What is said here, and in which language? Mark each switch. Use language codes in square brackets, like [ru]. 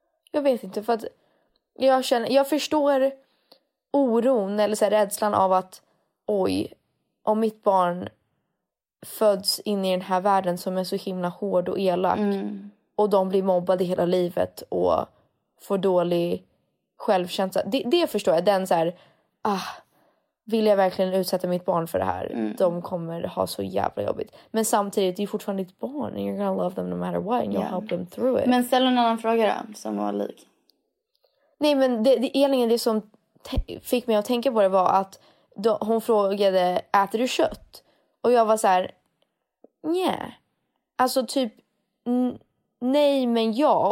[sv] Jag vet inte, för att jag förstår oron eller så här, rädslan av att oj, om mitt barn föds in i den här världen som är så himla hård och elak och de blir mobbade hela livet och får dålig självkänsla. Det förstår jag. Den så här, vill jag verkligen utsätta mitt barn för det här? Mm. De kommer ha så jävla jobbigt. Men samtidigt, det är ju fortfarande ditt barn. [en] And you're gonna love them no matter what. And you'll help them through it. [sv] Men ställ en annan fråga då, som var lik. Nej, men det som fick mig att tänka på det var att hon frågade, äter du kött? Och jag var så här, nej. Alltså typ, nej men ja.